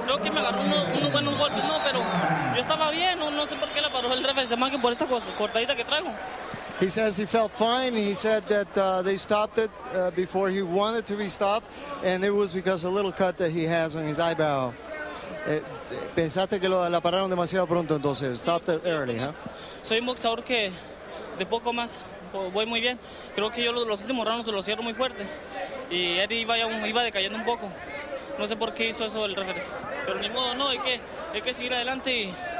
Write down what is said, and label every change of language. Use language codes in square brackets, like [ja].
[es] Creo que me agarró un golpe, no, pero yo estaba bien. No sé por qué le paró el referencia más que por esta cortadita que traigo. [en] He says he felt fine. He said that they stopped it before he wanted to be stopped, and it was because a little cut that he has on his eyebrow. [es] Pensaste que la pararon demasiado pronto, entonces. [en] Stopped it early, huh? [es] Soy un boxeador que de poco más voy muy bien. Creo que yo los últimos rounds los cierro muy fuerte, y él iba decayendo un poco. No sé por qué hizo eso el referee. Pero ni modo, no, hay que seguir adelante y...